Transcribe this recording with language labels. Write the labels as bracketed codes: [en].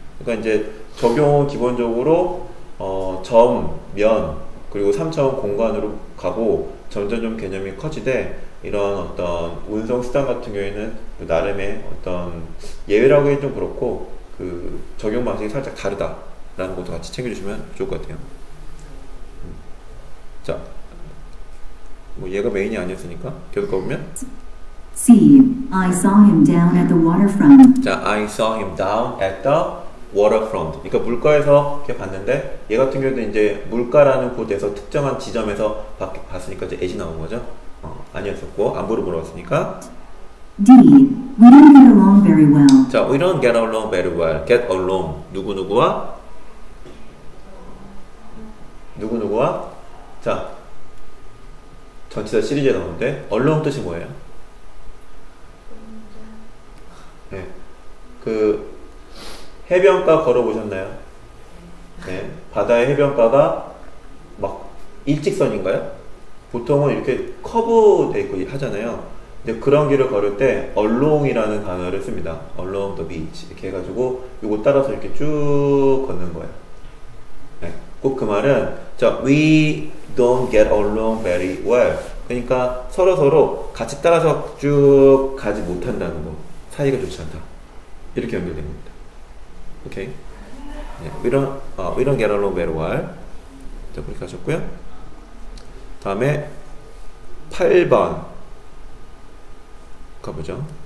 [ko] 그러니까 이제 적용은 기본적으로 점, 면 그리고 3차원 공간으로 가고 점점 좀 개념이 커지되 이런 어떤 운송수단 같은 경우에는 나름의 어떤 예외라고 해도 좀 그렇고 그 적용 방식이 살짝 다르다 라는 것도 같이 챙겨주시면 좋을 것 같아요. 자, 뭐 얘가 메인이 아니었으니까 계속 가보면 [en] See, I saw him down at the waterfront. 자, I saw him down at the waterfront. [ko] 그러니까 물가에서 이렇게 봤는데 얘 같은 경우는 이제 물가라는 곳에서 특정한 지점에서 봤으니까 이제 at이 나온 거죠. 아니었었고 안부로 물어봤으니까 [en] D. We don't get along very well. 자, we don't get along very well. Get along. [ko] 누구누구와? 누구누구와? 자, 전치사 시리즈에 나오는데 along 뜻이 뭐예요? 네. 그 해변가 걸어보셨나요? 네. 바다의 해변가가 막 일직선인가요? 보통은 이렇게 커브되어 있고 하잖아요. 근데 그런 길을 걸을 때 along이라는 단어를 씁니다. [en] along the beach [ko] 이렇게 해가지고 이거 따라서 이렇게 쭉 걷는 거예요. 네. 꼭 그 말은 [en] 자, we don't get along very well. [ko] 그러니까 서로서로 같이 따라서 쭉 가지 못한다는 거. 사이가 좋지 않다. 이렇게 연결된 겁니다. 오케이. Okay. 네. [en] we don't get along very well. [ko] 자, 그렇게 하셨고요. 다음에 8번 가보죠.